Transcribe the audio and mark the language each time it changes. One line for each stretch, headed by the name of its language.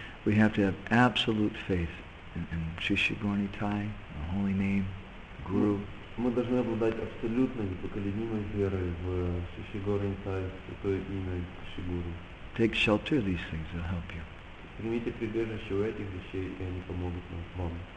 English: We have to have absolute faith in Shri Shri Gaura Nitai, the holy name, the guru.
Russian: Мы должны обладать абсолютной непоколебимой верой в Шри Горинтай, Святое имя Шри Гуру.
English: Take shelter of these things, they'll help you.
Russian: Примите прибежище у этих вещей, и они помогут вам.